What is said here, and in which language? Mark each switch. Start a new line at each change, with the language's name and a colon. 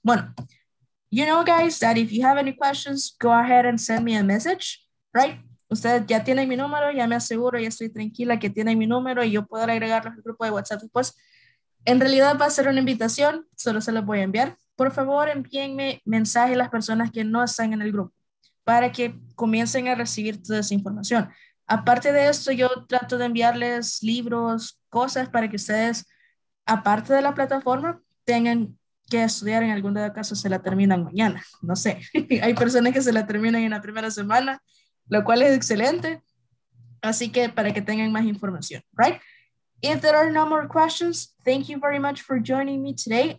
English: Bueno, you know guys, that if you have any questions, go ahead and send me a message, right?
Spanish: Ustedes ya tienen mi número, ya me aseguro, ya estoy tranquila que tienen mi número y yo poder agregarlos al grupo de WhatsApp después. En realidad va a ser una invitación, solo se los voy a enviar. Por favor, envíenme mensajes a las personas que no están en el grupo para que comiencen a recibir toda esa información. Aparte de esto, yo trato de enviarles libros, cosas para que ustedes, aparte de la plataforma, tengan que estudiar. En algún caso se la terminan mañana, no sé. Hay personas que se la terminan en la primera semana, lo cual es excelente. Así que para que tengan más información, right?
English: If there are no more questions, thank you very much for joining me today.